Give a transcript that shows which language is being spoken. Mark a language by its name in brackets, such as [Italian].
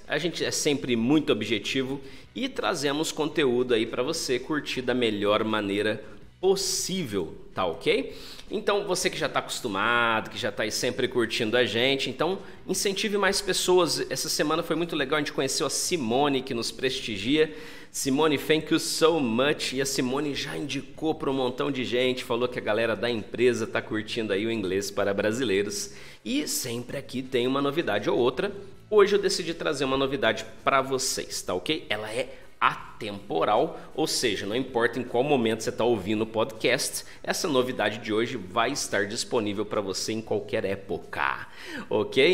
[Portuguese] A gente é sempre muito objetivo e trazemos conteúdo aí para você curtir da melhor maneira possível, tá ok? Então você que já está acostumado, que já está aí sempre curtindo a gente, então incentive mais pessoas. Essa semana foi muito legal, a gente conheceu a Simone que nos prestigia. [English] Simone, thank you so much. [Portuguese] E a Simone já indicou para um montão de gente, falou que a galera da empresa está curtindo aí o Inglês para Brasileiros. E sempre aqui tem uma novidade ou outra. Hoje eu decidi trazer uma novidade para vocês, tá ok? Ela é atemporal, ou seja, não importa em qual momento você está ouvindo o podcast, essa novidade de hoje vai estar disponível para você em qualquer época. Ok?